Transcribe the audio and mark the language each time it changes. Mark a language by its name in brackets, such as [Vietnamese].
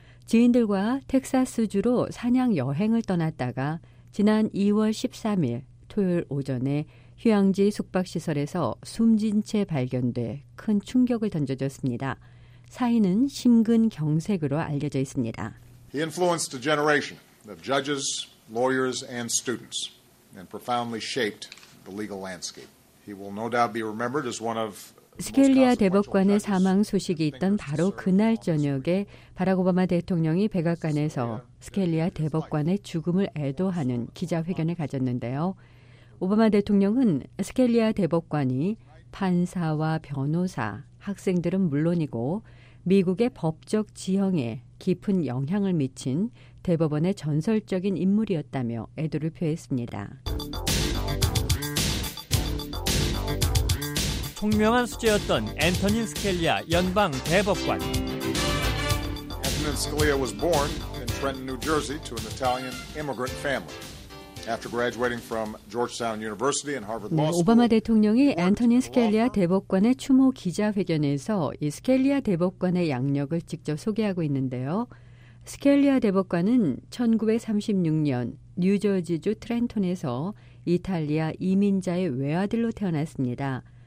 [Korean] 지인들과 텍사스주로 사냥 여행을 떠났다가 지난 2월 13일 토요일 오전에 휴양지 숙박시설에서 숨진 채 발견돼 큰 충격을 던져줬습니다. 사인은 심근경색으로 알려져 있습니다. [English] He influenced a generation of judges, lawyers, and students, and profoundly shaped the legal landscape. He will no doubt be remembered as one of. [Korean] 스켈리아 대법관의 사망 소식이 있던 바로 그날 저녁에 바락 오바마 대통령이 백악관에서 스켈리아 대법관의 죽음을 애도하는 기자회견을 가졌는데요. 오바마 대통령은 스켈리아 대법관이 판사와 변호사, 학생들은 물론이고 미국의 법적 지형에 깊은 영향을 미친 대법원의 전설적인 인물이었다며 애도를 표했습니다. 총명한 수재였던 앤터닌 스켈리아 연방 대법관. [English] 앤터닌 스켈리아 was born in Trenton, New Jersey to an Italian immigrant family. After graduating from Georgetown University and Harvard Law School, [Korean] 오바마 대통령이 앤터닌 스켈리아 대법관의 추모 기자회견에서 이 스켈리아 대법관의 양력을 직접 소개하고 있는데요. 스켈리아 대법관은 1936년 뉴저지주 트렌톤에서 이탈리아 이민자의 외아들로 태어났습니다.